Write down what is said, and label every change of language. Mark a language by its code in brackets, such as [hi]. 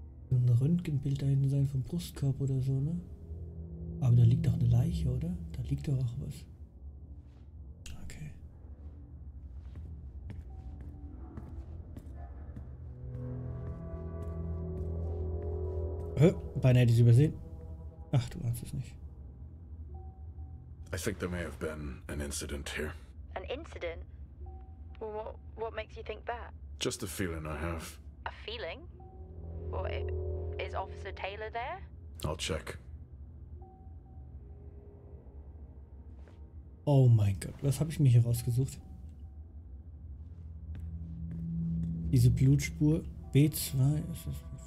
[de] Ein Röntgenbild da hinten sein vom Brustkorb oder so, ne? Aber da liegt doch eine Leiche, oder? Da liegt doch auch was. Okay. Oh, beinahe hätte ich es übersehen. Ach, du ahnst es nicht. [en] I think there may have been an incident here. An incident? Well, what makes you think that? Just a feeling I have. A feeling? Well, is Officer Taylor there? I'll check. [de] Oh mein Gott, was habe ich mir hier rausgesucht? Diese Blutspur B2, ist das?